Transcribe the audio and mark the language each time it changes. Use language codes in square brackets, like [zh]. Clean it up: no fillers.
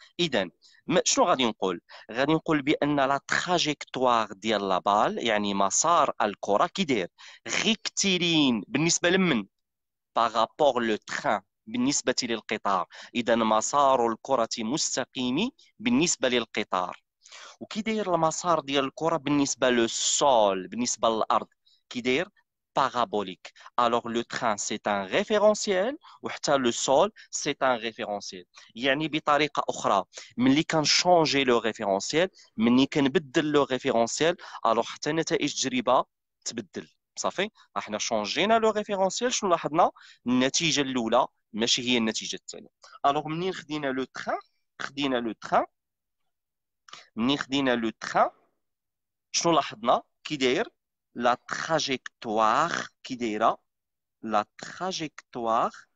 [ar] اذا شنو غادي نقول؟ غادي نقول بان لا تراجيكتوار ديال لا بال يعني مسار الكره كي داير ريكتيلين بالنسبه لمن؟ بارابور لو تران، بالنسبه للقطار. اذا مسار الكره مستقيمي بالنسبه للقطار، وكي داير المسار ديال الكره بالنسبه للسول، بالنسبه للارض كي داير؟ [fr] parabolique. Alors le train, c'est un référentiel, ou le sol, c'est un référentiel. [ar] Yani بطريقة أخرى, ملي كنشانجي لو référentiel, ملي كنبدل لو référentiel, alors حتى نتائج التجربة تبدل. صافي, احنا شانجينا لو référentiel, شنو لاحظنا؟ النتيجة الأولى ماشي هي النتيجة الثانية. alors منين خدينا لو ترين, خدينا لو ترين, منين خدينا لو ترين, شنو لاحظنا؟ كي داير [fr] la trajectoire qui dira la trajectoire